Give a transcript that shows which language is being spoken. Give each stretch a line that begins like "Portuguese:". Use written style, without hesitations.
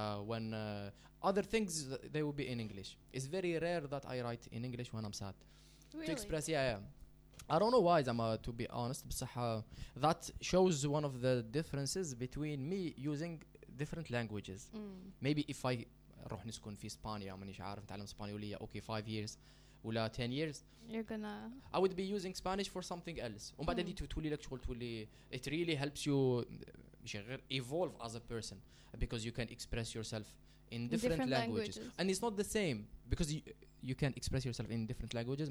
English: When other things, they will be in English. It's very rare that I write in English when I'm sad. Really? To express, I don't know why, Zama, to be honest. That shows one of the differences between me using different languages. Maybe if I
Arabic: روح نسكن في إسبانيا مانيش عارف نتعلم إسبانيولية.
English: Okay, 5 years.
Arabic: ولا
English: 10 years you're gonna I would be using Spanish for something else.
Arabic: وبعد هذه تولي لك شغل تولي
English: it really helps you evolve as a person because you can express yourself in different languages. And it's not the same because you can express yourself in different languages.